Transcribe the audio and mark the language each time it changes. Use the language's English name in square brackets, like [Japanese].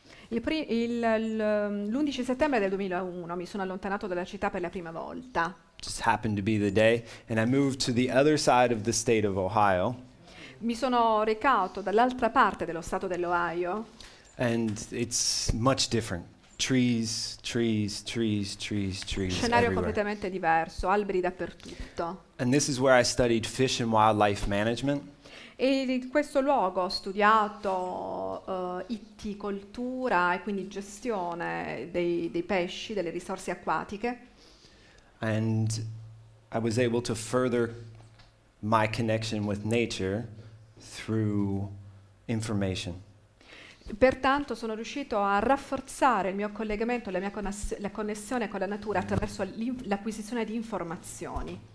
[Italian] L'11 settembre del 2001 mi sono allontanato dalla città per la prima volta. [English] Just happened to be the day, and I moved to the other side of the state of Ohio. [Italian] Mi sono recato dall'altra parte dello stato dell'Ohio. [English] And it's much different. trees, scenario everywhere. [Italian] Completamente diverso, alberi dappertutto. [English] And this is where I studied fish and wildlife management. [Italian] E in questo luogo ho studiato itticoltura e quindi gestione dei pesci, delle risorse acquatiche. [English] And I was able to further my connection with nature through information. [Italian] Pertanto sono riuscito a rafforzare il mio collegamento, la mia connessione con la natura attraverso l'acquisizione di informazioni.